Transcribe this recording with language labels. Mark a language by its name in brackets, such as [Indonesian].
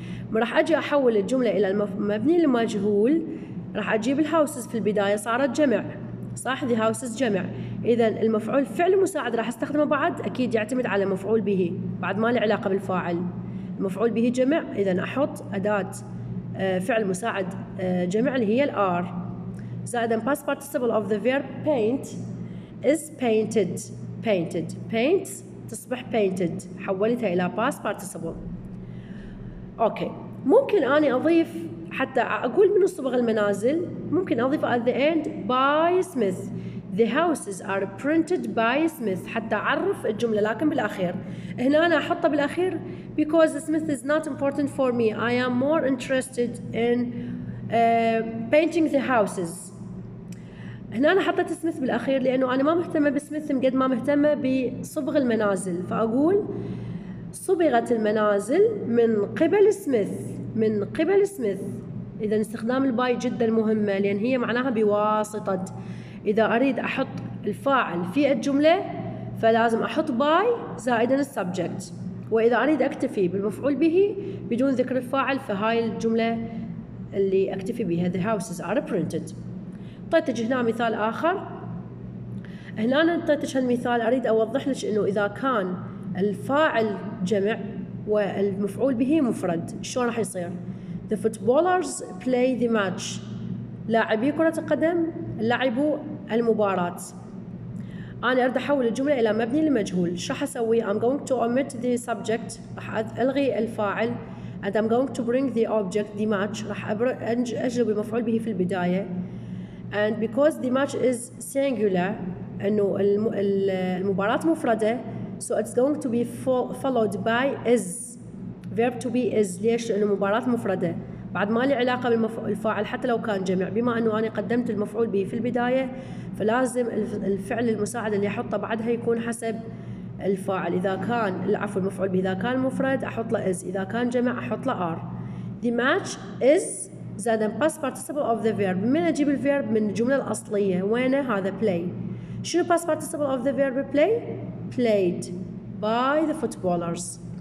[Arabic] ما راح أجي أحول الجملة إلى المبني المجهول راح أجيب الهاوسز في البداية صارت جمع. صح؟ [English] The houses [Arabic] جمع. إذا المفعول فعل مساعد راح أستخدمه بعد أكيد يعتمد على مفعول به بعد ما له علاقة بالفاعل. المفعول به جمع إذا أحط أداة فعل مساعد جمع اللي هي الآر. زائدا [English] past participle of the verb paint is painted. Painted. Paints تصبح painted. [Arabic] حولتها إلى past participle. [English] Okay. [Arabic] ممكن أني أضيف حتى أقول من صبغ المنازل ممكن أضيف [English] at the end by Smith. The houses are printed by Smith [Arabic] حتى أعرف الجملة لكن بالأخير. هنا أنا أحطها بالأخير [English] because Smith is not important for me. I am more interested in painting the houses. [Arabic] هنا أنا حطيت سميث بالأخير لأنه أنا ما مهتمة بسميث قد ما مهتمة بصبغ المنازل، فأقول صبغت المنازل من قبل سميث. من قبل سميث. إذا استخدام الباي جدا مهمة لأن هي معناها بواسطة. إذا أريد أحط الفاعل في الجملة فلازم أحط باي زائدا السبجكت، وإذا أريد أكتفي بالمفعول به بدون ذكر الفاعل فهاي الجملة اللي أكتفي بها. [English] The houses are printed. [Arabic] طيب هنا مثال آخر. هنا نطيتش هالمثال أريد أوضح لك إنه إذا كان الفاعل جمع والمفعول به مفرد شو راح يصير. [English] The footballers play the match. [Arabic] لاعبي كرة القدم لعبوا المباراة. أنا أريد أحول الجملة إلى مبني لمجهول. شو راح أسوي؟ [English] I'm going to omit the subject. [Arabic] راح ألغي الفاعل. [English] And I'm going to bring the object, the match. [Arabic] راح أجلب المفعول به في البداية. [English] And because the match is singular, [Arabic] إنه المباراة مفردة, [English] so it's going to be followed by is. Verb to be is. [Arabic] ليش؟ لأنه مباراة مفردة. بعد ما لي علاقة بالفاعل حتى لو كان جمع. بما أنه أنا قدمت المفعول به في البداية, فلازم الفعل المساعد اللي أحطه بعدها يكون حسب الفاعل. إذا كان العفو المفعول به إذا كان مفرد أحط له is. إذا كان جمع أحط له are. [English] The match is. [Arabic] زاد [English] past participle of the verb. [Arabic] من أجيب الverb من الجملة الأصلية وين هذا play. شنو [English] past participle of the verb play؟ played by the footballers.